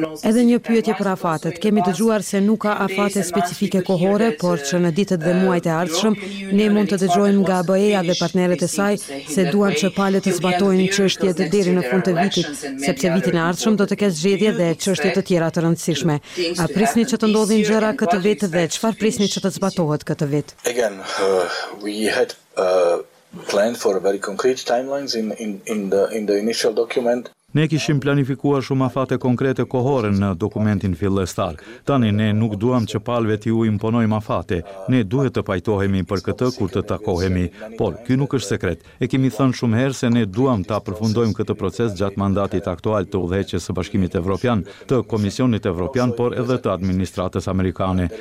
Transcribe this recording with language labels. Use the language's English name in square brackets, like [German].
[Albanian] edhe një pyetje për afatet. Kemi dëgjuar se nuk ka afate specifike kohore, por që në ditët dhe muajt e ardhshëm, ne mund të dëgjojmë nga BE-ja dhe partneret e saj se duan që palët të zbatojnë çështjet deri në fund të vitit, sepse vitin e ardhshëm do të ketë zgjedhje dhe çështje të tjera të rëndësishme. A prisni që të ndodhin gjëra këtë vit dhe çfarë prisni që të zbatohet këtë vit? [English] Again, we had planned for very concrete timelines in the initial document. [Albanian] Ne kishim planifikuar shumë afate konkrete kohore në dokumentin fillestar. Tani ne nuk duam që palëve t'i imponojmë afate. Ne duhet të pajtohemi për këtë kur të takohemi. Por ky nuk është sekret. E kemi thënë shumë herë se ne duam ta përfundojmë këtë proces gjatë mandatit aktual të Udhëheqjes së Bashkimit Evropian, të Komisionit Evropian, por edhe të administratës amerikane.